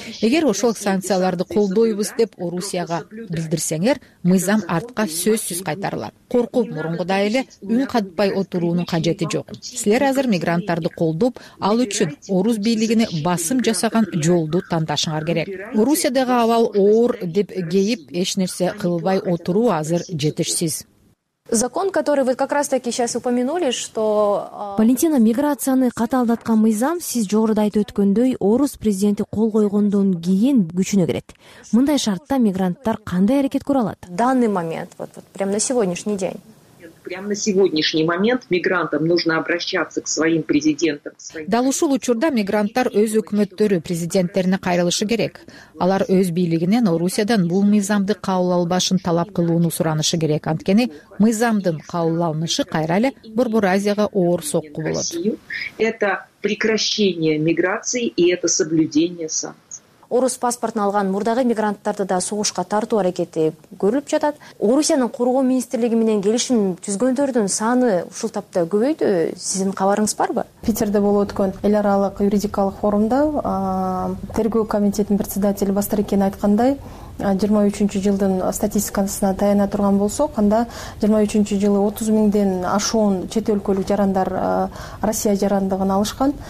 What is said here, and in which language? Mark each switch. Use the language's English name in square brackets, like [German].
[Kyrgyz] Эгер ошол санкцияларды колдойбуз деп Орусияга билдирсеңер, мыйзам артка сөзсүз кайтарылат. Коркуп мурунгудай эле үн катпай отуруунун кажети жок. Силер азыр мигранттарды колдоп, ал үчүн орус бийлигине басым жасаган жолду тандашыңар керек. Орусиядагы абал оор деп кейип эч нерсе кылбай отуруу азыр жетишсиз. [Russian] Закон, который вы как раз таки сейчас упомянули, что... [Kyrgyz] Валентина, миграцияны каталдаткан мыйзам, сиз жогоруда айтып өткөндөй, орус президенти кол койгондон кийин күчүнө кирет. Мындай шартта мигранттар кандай аракет көрө алат? [Russian] Данный момент, вот прямо на сегодняшний день. Прямо на сегодняшний момент мигрантам нужно обращаться к своим президентам. [Kyrgyz] Дал ушул учурда мигранттар өз өкмөттөрү президенттерине кайрылышы керек. Алар өз бийлигинен Орусиядан бул мыйзамды кабыл албашын талап кылууну суранышы керек. Анткени мыйзамдын кабыл алынышы кайра эле Борбор Азияга оор сокку болот. [Russian] Это прекращение миграции и это соблюдение санкций. [Kyrgyz] Орус паспортун алган мурдагы мигранттарды да согушка тартуу аракети көрүлүп жатат. Орусиянын коргоо министрлиги менен келишим түзгөндөрдүн саны ушул тапта көбөйдүбү? Сиздин кабарыңыз барбы? Питерде болуп өткөн эл аралык юридикалык форумда тергөө комитетинин председатели Бастарекен айткандай, 23-жылдын статистикасына таяна турган болсок, анда 23-жылы 30 000 ашуун чет өлкөлүк жарандар Россия жарандыгын алышкан.